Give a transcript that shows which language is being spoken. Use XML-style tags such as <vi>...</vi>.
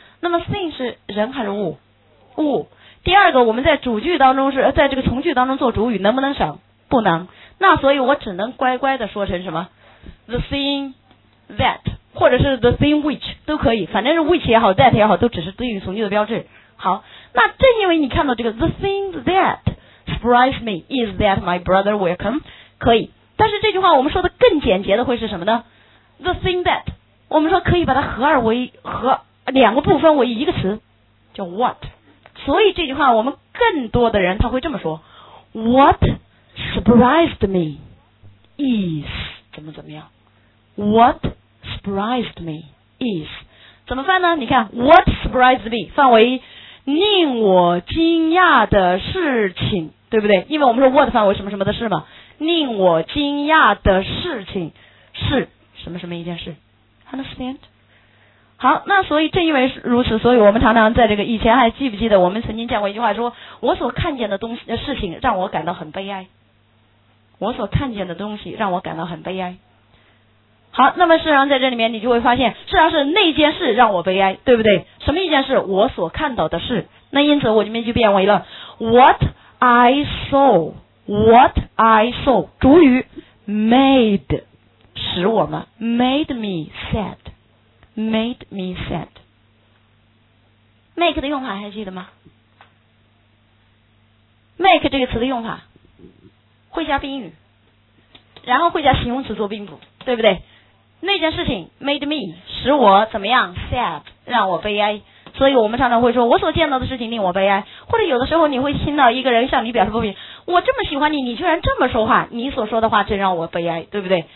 <zh>那么 thing 是人还是物？物。第二个，我们在主句当中是在这个从句当中做主语，能不能省？不能。那所以我只能乖乖的说成什么</zh> <en>the thing that</en> <zh>或者是</zh> <en>the thing which</en> <zh>都可以，反正是 which 也好 that 也好，都只是宾语从句的标志。好，那正因为你看到这个</zh> <en>the thing that surprised me is that my brother will come，</en> <zh>可以。但是这句话我们说的更简洁的会是什么呢？</zh> <en>the thing that，</en> <zh>我们说可以把它合二为合两个部分为一个词，叫 what，所以这句话我们更多的人他会这么说</zh> <en>What surprised me is</en> <zh>怎么怎么样 What surprised me is 怎么办呢？你看</zh> <en>What surprised me</en> <zh>范围令我惊讶的事情，对不对？因为我们说 what 范围什么什么的事嘛，令我惊讶的事情是什么什么一件事，</zh> <en>understand？</en> <zh>好，那所以正因为如此，所以我们常常在这个以前还记不记得我们曾经讲过一句话，说我所看见的东西的事情让我感到很悲哀，我所看见的东西让我感到很悲哀。好，那么事实上在这里面你就会发现，事实上是那件事让我悲哀，对不对？什么一件事？我所看到的事。那因此我这边就变为了</zh> <en>What I saw，</en> <zh>What I saw 主语 made 使我们</zh> <en>made me sad，</en> <zh>made me sad。 make 的用法还记得吗？ make 这个词的用法会加宾语，然后会加形容词做宾补，对不对？那件事情</zh> <en>made me</en> <zh>使我怎么样 sad 让我悲哀，所以我们常常会说我所见到的事情令我悲哀，或者有的时候你会听到一个人向你表示不平，我这么喜欢你，你居然这么说话，你所说的话真让我悲哀，对不对？</zh>